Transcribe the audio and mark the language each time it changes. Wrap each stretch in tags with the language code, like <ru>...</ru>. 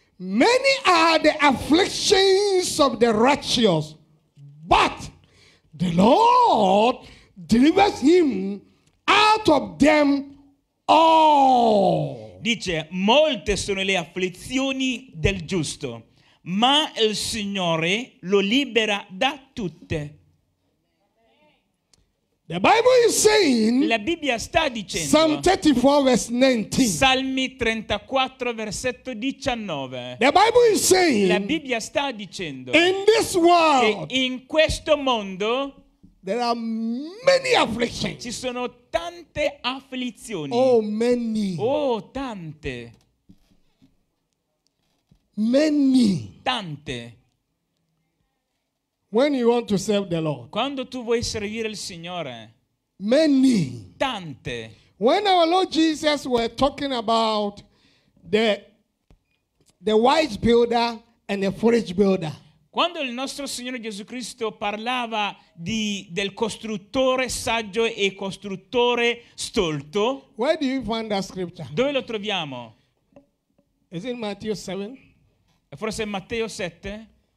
<en>Many are the afflictions of the righteous, but the Lord delivers him out of them all.</en> <it>Dice. Molte sono le afflizioni del giusto, ma il Signore lo libera da tutte.</it> <en>The Bible is saying,</en> <it>la Bibbia sta dicendo,</it> <en>Psalm 34 verse 19.</en> <it>Salmi 34 versetto 19.</it> <en>The Bible is saying,</en> <it>la Bibbia sta dicendo,</it> <en>in this world,</en> <it>che in questo mondo,</it> <en>there are many afflictions.</en> <it>Ci sono tante afflizioni.</it> <en>Oh, many.</en> <it>Oh, tante.</it> <en>Many.</en> <it>Tante.</it> <en>When you want to serve the Lord.</en> <it>Quando tu vuoi servire il Signore.</it> <en>Many.</en> <it>Tante.</it> <en>When our Lord Jesus was talking about the wise builder and the foolish builder.</en> <it>Quando il nostro Signore Gesù Cristo parlava del costruttore saggio e costruttore stolto.</it> <en>Where do you find that scripture?</en> <it>Dove lo troviamo?</it> <en>Is it Matthew 7?</en> <it>E forse Matteo 7?</it>